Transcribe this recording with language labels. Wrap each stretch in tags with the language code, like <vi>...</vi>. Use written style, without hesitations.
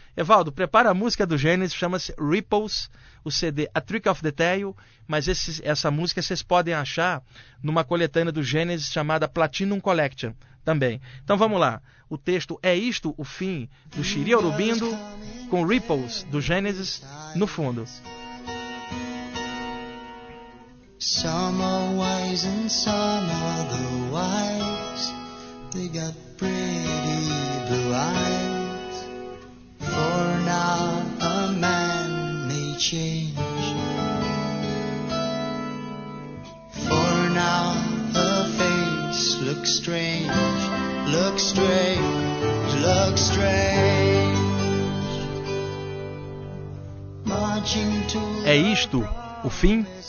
<pt>Evaldo, prepara a música do Gênesis, chama-se Ripples, o CD A Trick of the Tail. Mas essa música vocês podem achar numa coletânea do Gênesis chamada Platinum Collection também. Então vamos lá. O texto é isto, o fim do Xiri Urubindo, com Ripples do Gênesis no fundo.</pt> <en>Some are wise and some are the wise. They got pretty blue eyes. For now a man may change. For now a face looks strange. Looks strange, looks strange. Marching to the</en> <pt>é isto, o fim?</pt>